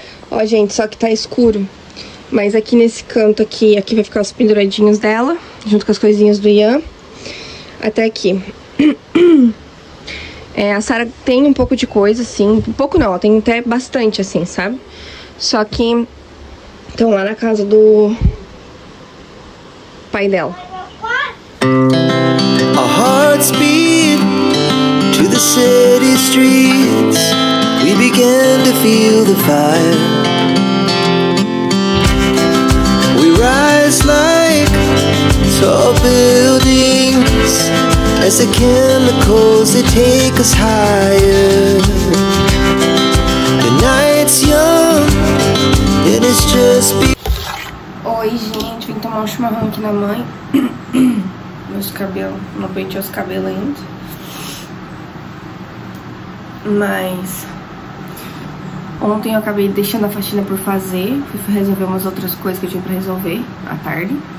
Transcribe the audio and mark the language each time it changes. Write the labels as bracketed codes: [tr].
[pt] Ó, gente, só que tá escuro. Mas aqui nesse canto aqui, aqui vai ficar os penduradinhos dela, junto com as coisinhas do Ian, até aqui. É, a Sara tem um pouco de coisa, assim. Um pouco não, ela tem até bastante, assim, sabe? Só que estão lá na casa do pai dela. [en] A heart speed to the city streets. We began to feel the fire. We rise like tall buildings. As the chemicals, they take us higher. The night's young, and it's just be. [pt] Oi, gente, vim tomar um chimarrão aqui na mãe. Meus cabelos, não penteou os cabelos ainda. Mas Ontem eu acabei deixando a faxina por fazer. Fui resolver umas outras coisas que eu tinha pra resolver à tarde.